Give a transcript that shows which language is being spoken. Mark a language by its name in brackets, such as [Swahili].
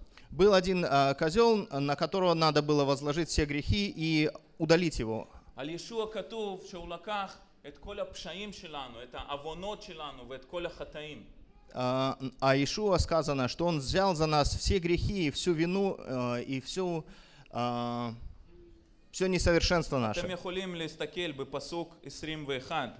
[Russian] Был один козел, на которого надо было возложить все грехи и удалить его. [Hebrew] על ישוע כתוב שהוא לקח את כל הפשעים שלנו, את העוונות שלנו ואת כל החטאים. [Russian] А Иешуа сказано, что он взял за нас все грехи, всю вину и все несовершенство наше. [Hebrew] אתם יכולים להסתכל בפסוק 21.